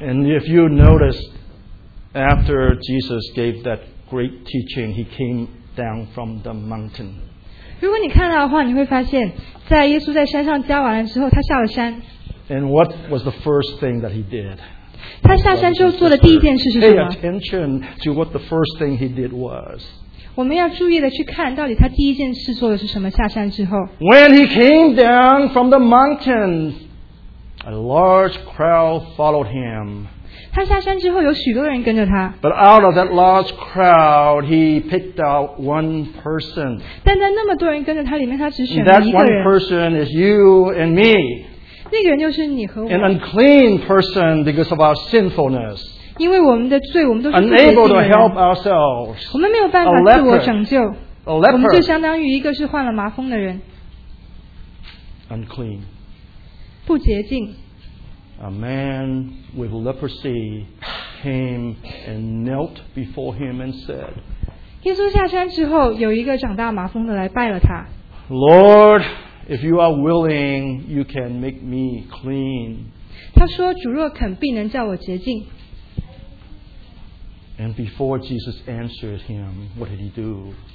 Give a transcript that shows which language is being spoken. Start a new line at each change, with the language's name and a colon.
English: And if you notice, after Jesus gave that great teaching, He came down from the mountain.
Chinese: 如果你看到的话，你会发现，在耶稣在山上教完了之后，他下了山。
English: And what was the first thing that He did?
Chinese: 他下山之后做的第一件事是什么？
English: Pay attention to what the first thing He did was.
Chinese: 我们要注意的去看到底他第一件事做的是什么下山之后。
English: When He came down from the mountain, a large crowd followed Him.
Chinese: 他下山之后有许多人跟着他。
English: But out of that large crowd, He picked out one person.
Chinese: 但在那么多人跟着他里面，他只选了一个人。
English: That one person is you and me.
Chinese: 那个人就是你和我。
English: An unclean person because of our sinfulness.
Chinese: 因为我们的罪，我们都是不配的人。
English: Unable to help ourselves.
Chinese: 我们没有办法自我拯救。
English: A leper.
Chinese: 我们就相当于一个是患了麻风的人。
English: Unclean.
Chinese: 不洁净。
English: A man with leprosy came and knelt before Him and said,
Chinese: 耶稣下山之后，有一个长大麻风的来拜了他。
English: Lord, if You are willing, You can make me clean.
Chinese: 他说，主若肯，必能叫我洁净。
English: And before Jesus answered him, what did He do?